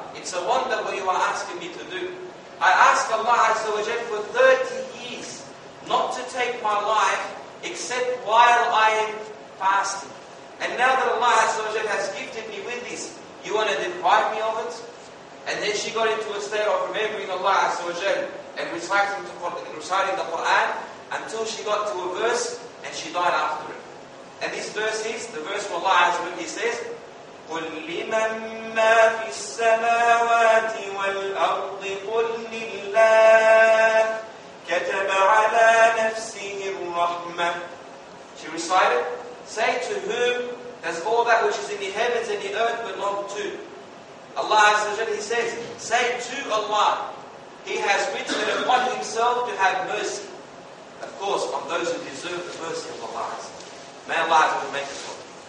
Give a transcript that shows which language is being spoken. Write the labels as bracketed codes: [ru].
[en] It's a wonder what you are asking me to do. I ask Allah Azza wa Jal for 30 years not to take my life except while I am fasting. And now that Allah has gifted me with this, you want to deprive me of it?" And then she got into a state of remembering Allah and reciting the Quran until she got to a verse and she died after it. And this verse is the verse for Allah, he says, [ar] "قُلْ لِمَنْ مَا فِي السَّمَاوَاتِ وَالْأَرْضِ قُلْ لِلَّهِ كَتَبَ عَلَى نَفْسِهِ الرَّحْمَةِ." [en] She recited, "Say to whom does all that which is in the heavens and the earth belong to?" Allah Azza wa Jalla, he says, "Say to Allah, He has written it upon Himself to have mercy." Of course, on those who deserve the mercy of Allah. May Allah Azza wa Jalla make it for them.